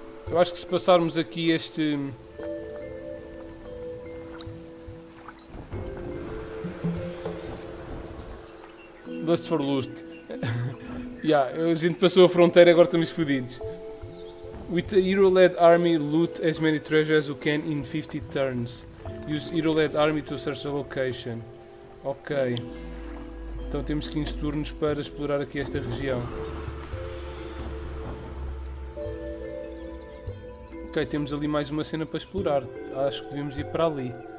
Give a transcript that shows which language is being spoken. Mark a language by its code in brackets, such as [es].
[pt] Eu acho que se passarmos aqui este... [en] Lust for Lust. [pt] Ya, yeah, a gente passou a fronteira e agora estamos fodidos. [en] With the hero-led army, loot as many treasures as you can in 50 turns. Use hero-led army to search the location. Ok. [pt] Então temos 15 turnos para explorar aqui esta região. Ok, temos ali mais uma cena para explorar. Acho que devemos ir para ali.